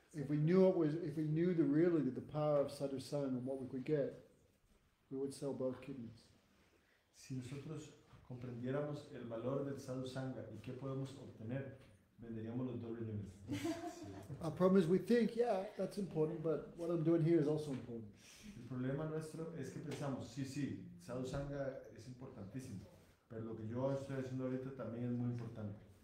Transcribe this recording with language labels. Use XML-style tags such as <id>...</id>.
<en>If we knew the really the power of Sadhusana and what we could get, we would sell both kidneys.</en> <es>Si nosotros comprendiéramos el valor del sadhu sangha y qué podemos obtener, venderíamos los dos riñones.</es> <en>Our problem is we think, yeah, that's important, but what I'm doing here is also important.</en> <es>El problema nuestro es que pensamos, sí, sadhu sangha es importantísimo, pero lo que yo estoy haciendo ahorita también es muy importante.</es>